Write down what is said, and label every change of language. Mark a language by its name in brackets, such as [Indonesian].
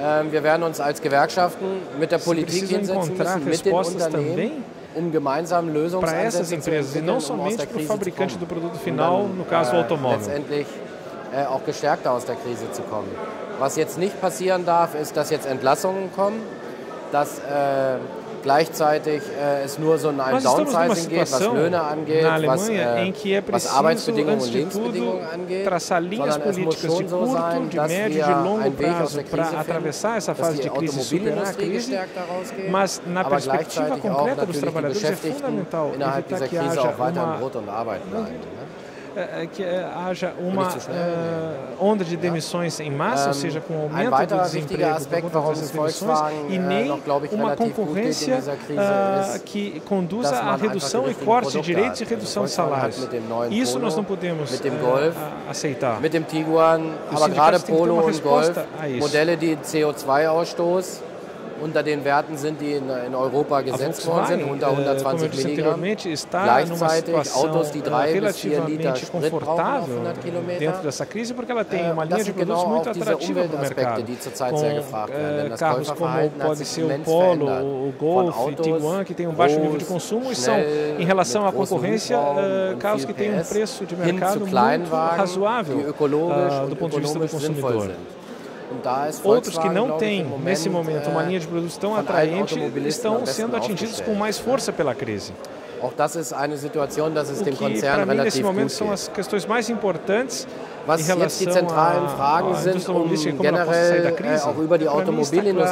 [German] Wir werden uns als Gewerkschaften mit der Politik hinsetzen müssen, mit den Unternehmen, gemeinsam Lösungsansätze zu finden, [Portuguese] somente para o fabricante do produto final, no caso o automóvel. [German] Auch gestärkter aus der Krise zu kommen. Was jetzt nicht passieren darf, ist, dass jetzt Entlassungen kommen, dass gleichzeitig es nur so ein Downsizing geht, was Löhne angeht, was Arbeitsbedingungen und Lebensbedingungen angeht, sondern es muss schon so sein, dass wir einen Weg aus der Krise finden, dass die Automobilindustrie gestärkt daraus geht, aber gleichzeitig auch natürlich die Beschäftigten innerhalb dieser Krise auch weiter im Brot und Arbeit bleiben. [Portuguese] Que haja uma onda de demissões em massa, ou seja, com aumento do desemprego por conta dessas demissões, e nem uma concorrência que conduza à redução e corte de direitos e redução de salários. Isso nós não podemos aceitar. [German] Mit dem Tiguan, aber gerade Polo und Golf, Modelle, die CO2-Ausstoß unter den Werten sind, die in Europa gesetzt worden sind, unter 120 Milligramm. Gleichzeitig Autos, die 3 bis 4 Liter Sprit brauchen auf 100 Kilometer. Das sind genau auch diese Umweltaspekte, die zurzeit sehr gefragt werden. Das Käuferverhalten hat sich immens verändert. Von Autos, groß, schnell, mit großen Hubraumen, viel PS, hin zu Kleinwagen, die ökologisch und ökonomisch sinnvoll sind. [Portuguese] Outros que não têm, nesse momento, uma linha de produtos tão atraente, estão sendo atingidos com mais força pela crise. O que, para mim, nesse momento, são as questões mais importantes em relação à indústria automobilística, como ela possa sair da crise. Para mim, está claro, nós precisamos